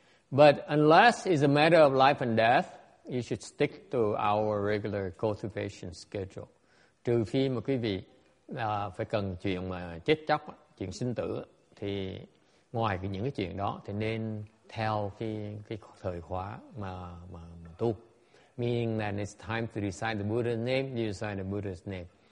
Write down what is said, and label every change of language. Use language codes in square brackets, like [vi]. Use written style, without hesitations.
[en] But unless it's a matter of life and death, you should stick to our regular cultivation schedule. [vi] Trừ phi mà quý vị phải cần chuyện mà chết chóc, chuyện sinh tử, thì ngoài những cái chuyện đó, thì nên theo cái thời khóa mà tu. [en] Meaning that it's time to recite the Buddha's name, you recite the Buddha's name.